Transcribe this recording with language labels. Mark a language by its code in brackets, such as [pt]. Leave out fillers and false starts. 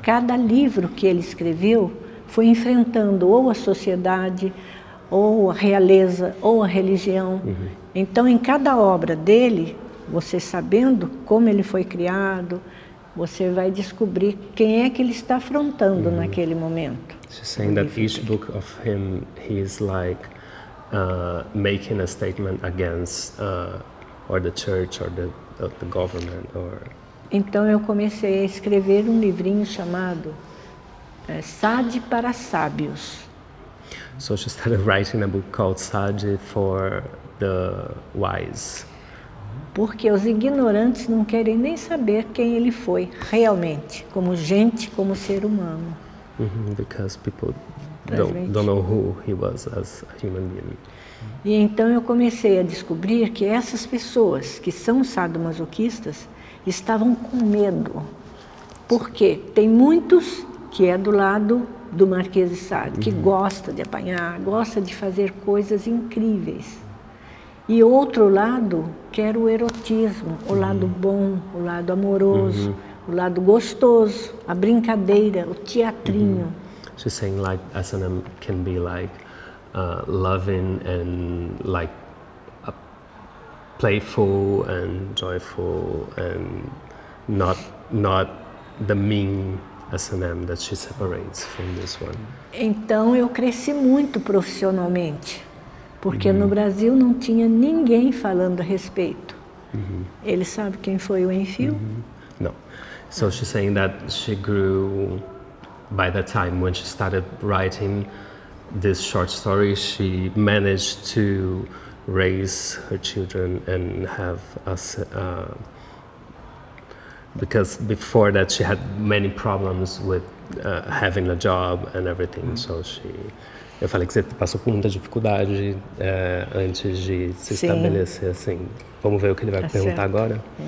[pt] Cada livro que ele escreveu foi enfrentando ou a sociedade, ou a realeza, ou a religião. Então, em cada obra dele, você sabendo como ele foi criado, você vai descobrir quem é que ele está afrontando naquele momento. [en] She's saying that each book of him, he is like making a statement against or the church or the government or. [pt] Então eu comecei a escrever livrinho chamado Sade para Sábios. [en] So she started writing a book called Sade for the Wise. [pt] Porque os ignorantes não querem nem saber quem ele foi realmente, como gente, como ser humano. [en] Because people don't know who he was as a human being. [pt] E então eu comecei a descobrir que essas pessoas que são sadomasoquistas estavam com medo. Por quê? Tem muitos que é do lado do Marquês de Sade, que gosta de apanhar, gosta de fazer coisas incríveis. E outro lado quer o erotismo, o lado bom, o lado amoroso. O lado gostoso, a brincadeira, o teatrinho. [en] She's saying like S&M can be like loving and like playful and joyful and not the mean S&M that she separates from this one. [pt] Então eu cresci muito profissionalmente, porque no Brasil não tinha ninguém falando a respeito. Ele sabe quem foi o Enfio? [en] So she's saying that she grew, by the time when she started writing this short story, she managed to raise her children and have us, because before that she had many problems with having a job and everything, so she... [pt] Eu falei que você passou por muita dificuldade antes de se estabelecer, assim. Vamos ver o que ele vai perguntar agora?